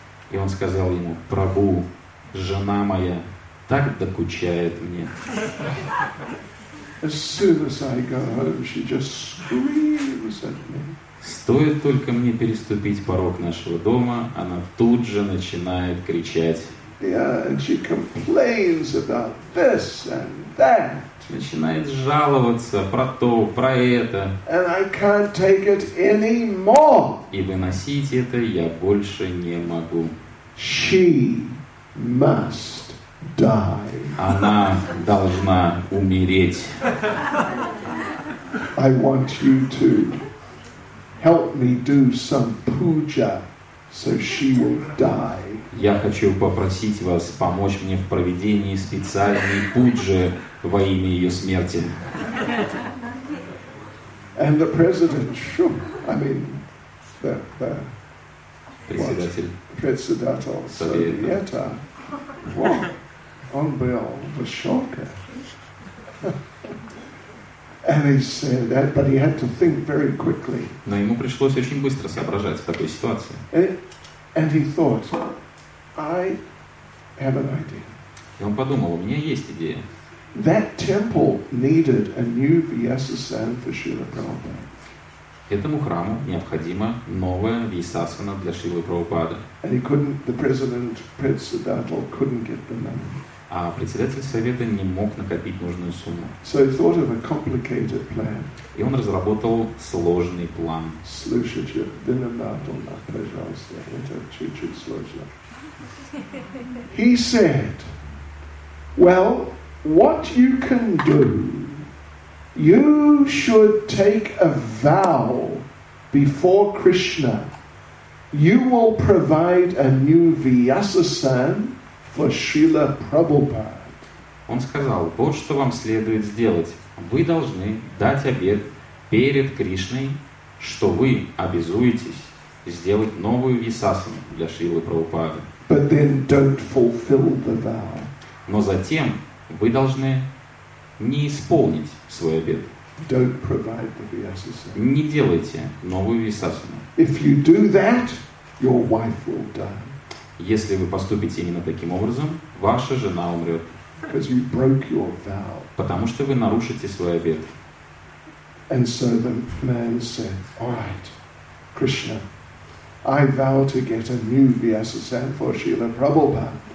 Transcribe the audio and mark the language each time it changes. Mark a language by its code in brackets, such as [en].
[ru] И он сказал ему, Прабу, жена моя так докучает мне. [en] As soon as I go home, she just screams at me. [ru] Стоит только мне переступить порог нашего дома, она тут же начинает кричать. [en] Yeah, and she complains about this and that. [ru] Начинает жаловаться про то, про это. [en] And I can't take it anymore. [ru] И выносить это я больше не могу. [en] She must die. [ru] Она должна умереть. [en] I want you to help me do some puja, so she will die. [ru] Я хочу попросить вас помочь мне в проведении специальной пуджи во имя ее смерти. [en] And the president, shoo, I mean, the [ru] председатель совета, вот, он был в шоке. [en] And he said that, but he had to think very quickly. [ru] Но ему пришлось очень быстро соображать в такой ситуации. [en] And he thought, I have an idea. [ru] И он подумал, у меня есть идея. [en] That temple needed a new Vyasasana for Srila Prabhupada. [ru] Этому храму необходима новая Вьясасана для Шрилы Прабхупады. [en] And he couldn't, the president, [ru] председатель, [en] couldn't get the money. [ru] А председатель совета не мог накопить нужную сумму. [en] So he thought of a complicated plan. [ru] И он разработал сложный план. Слушайте, внимательно, пожалуйста, это чуть-чуть сложно. [en] He said, well, what you can do, you should take a vow before Krishna. You will provide a new Vyasasan for Srila Prabhupada. [ru] Он сказал, вот что вам следует сделать. Вы должны дать обет перед Кришной, что вы обязуетесь сделать новую висасану для Шрилы Прабхупады. [en] But then don't fulfill the vow. [ru] Но затем вы должны не исполнить свой обет. [en] Don't provide the висасану. [ru] Не делайте новую висасану. [en] If you do that, your wife will die. [ru] Если вы поступите именно таким образом, ваша жена умрет. [en] You broke your vow. [ru] Потому что вы нарушите свой обет. [en] And so the man said, all right, Krishna, I vow to get a new Vyasasana for Srila Prabhupada.